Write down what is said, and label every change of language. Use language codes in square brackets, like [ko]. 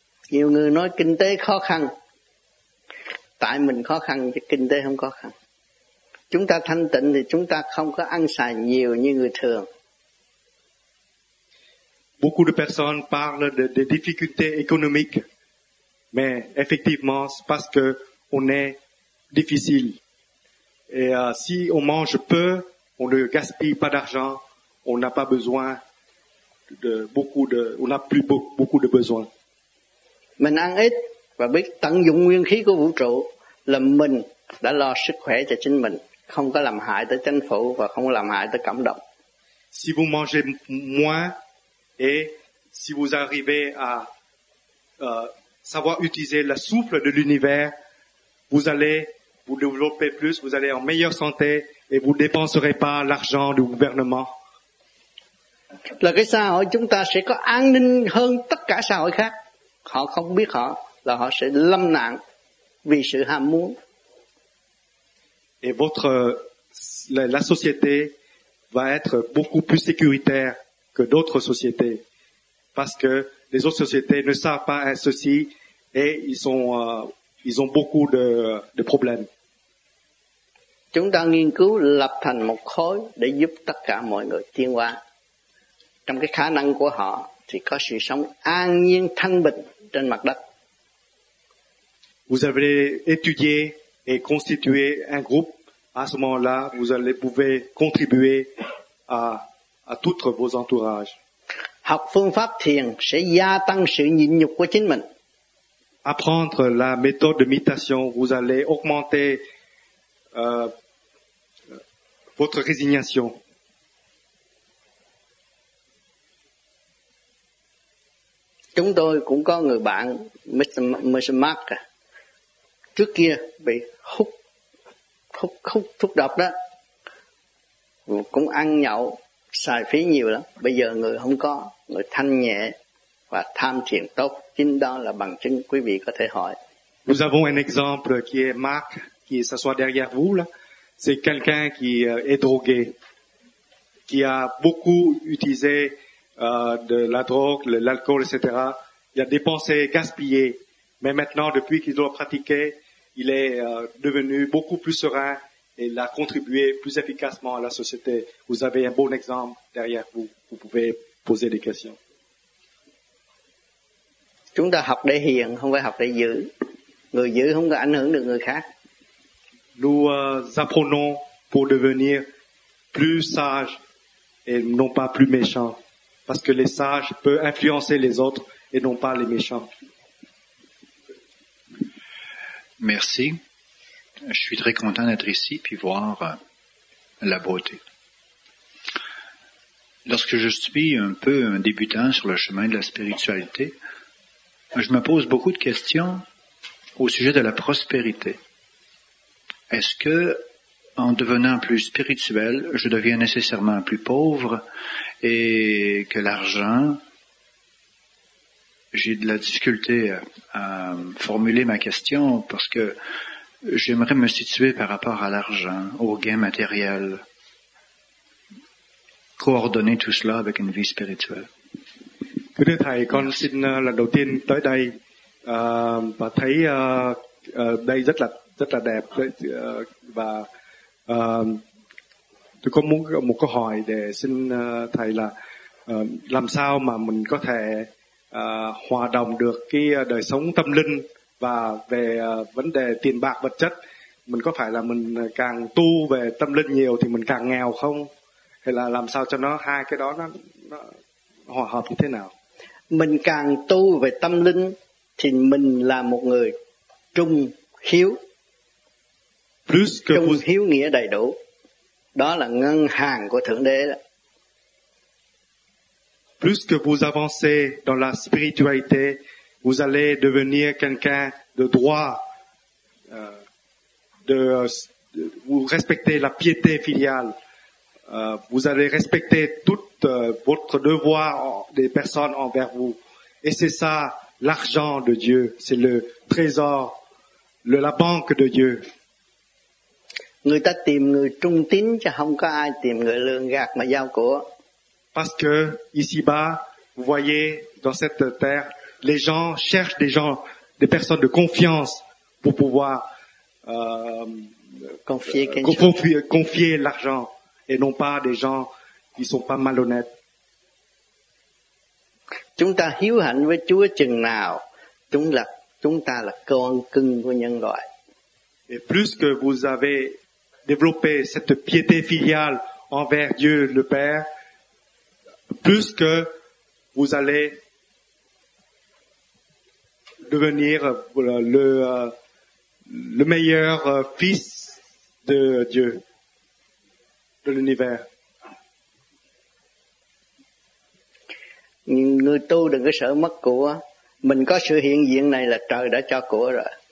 [vi] Nhiều người nói kinh tế khó khăn. Tại mình khó khăn chứ kinh tế không khó khăn. Chúng ta thanh tịnh thì chúng ta không có ăn xài nhiều như người thường. [fr] Beaucoup de personnes parlent de difficultés économiques, mais effectivement, c'est parce que on est difficile. Et si on mange peu, on ne gaspille pas d'argent, on n'a pas besoin de beaucoup de, on n'a plus beaucoup de besoins. [vi] Mình ăn ít và biết tận dụng nguyên khí của vũ trụ là mình đã lo sức khỏe cho chính mình, không có làm hại tới chính phủ và không làm hại tới cộng đồng. [fr] Si vous mangez moins et si vous arrivez à savoir utiliser le souffle de l'univers, vous allez vous développer plus, vous allez en meilleure santé et vous ne dépenserez pas l'argent du gouvernement. [vi] Là cái xã hội chúng ta sẽ có an ninh hơn tất cả xã hội khác. Họ không biết họ là họ sẽ lâm nạn vì sự ham muốn. [fr] Et votre la société va être beaucoup plus sécuritaire que d'autres sociétés parce que les autres sociétés ne savent pas ceci et ils ont beaucoup de problèmes. [vi] Chúng ta nghiên cứu lập thành một khối để giúp tất cả mọi người tiến hóa. Trong cái khả năng của họ thì có sự sống an nhiên thanh bình trên mặt đất. [fr] Vous avez étudié et constitué un groupe. À ce moment-là, vous allez pouvoir contribuer à tous vos entourages. [vi] Học phương pháp thiền sẽ gia tăng sự nhịn nhục của chính mình. [fr] Apprendre la méthode de méditation, vous allez augmenter votre résignation. [vi] Chúng tôi cũng có người bạn Mr. Mark trước kia bị hút thuốc độc đó, cũng ăn nhậu xài phí nhiều lắm. Bây giờ người không có, người thanh nhẹ và tham thiền tốt, chính đó là bằng chứng quý vị có thể hỏi. [fr] Nous avons un exemple qui est Mark qui s'assoit derrière vous là, c'est quelqu'un qui est drogué, qui a beaucoup utilisé de la drogue, l'alcool, etc. Il a dépensé, gaspillé. Mais maintenant, depuis qu'il doit pratiquer, il est devenu beaucoup plus serein et il a contribué plus efficacement à la société. Vous avez un bon exemple derrière vous. Vous pouvez poser des questions. [vi] Chúng ta học để hiền, không phải học để giữ. Người giữ không có ảnh hưởng được người khác. [fr] Nous apprenons pour devenir plus sage et non pas plus méchant. Parce que les sages peuvent influencer les autres et non pas les méchants. Merci. Je suis très content d'être ici puis voir la beauté. Lorsque je suis un peu un débutant sur le chemin de la spiritualité, je me pose beaucoup de questions au sujet de la prospérité. Est-ce que en devenant plus spirituel, je deviens nécessairement plus pauvre et que l'argent, j'ai de la difficulté à formuler ma question parce que j'aimerais me situer par rapport à l'argent, aux gains matériels, coordonner tout cela avec une vie spirituelle. [vi] Thưa thầy, con xin lần đầu tiên tới đây và thấy đây rất là đẹp và tôi có muốn một câu hỏi để xin thầy là làm sao mà mình có thể hòa đồng được cái đời sống tâm linh và về vấn đề tiền bạc vật chất. Mình có phải là mình càng tu về tâm linh nhiều thì mình càng nghèo không, hay là làm sao cho nó hai cái đó nó hòa hợp như thế nào? Mình càng tu về tâm linh thì mình là một người trung hiếu. [fr] Plus que [vi] trung hiếu nghĩa đầy đủ, đó là ngân hàng của Thượng Đế đó. [fr] Plus que vous avancez dans la spiritualité, vous allez devenir quelqu'un de droit, de vous respectez la piété filiale, vous allez respecter tout votre devoir des personnes envers vous. Et c'est ça l'argent de Dieu, c'est le trésor, la banque de Dieu. [vi] Người ta tìm người trung tín chứ không có ai tìm người lường gạt mà giao của. [fr] Parce que ici-bas, vous voyez dans cette terre, les gens cherchent des gens, des personnes de confiance pour pouvoir confier l'argent et non pas des gens qui sont pas malhonnêtes. [vi] Chúng ta hiếu hạnh với Chúa chừng nào, chúng ta là con cưng của nhân loại. [fr] Et plus que vous avez développé cette piété filiale envers Dieu le Père, plus que vous allez devenir le meilleur fils de Dieu, de l'univers. [vi] Người tu đừng có sợ mất của, mình có sự hiện diện này là trời đã cho của rồi.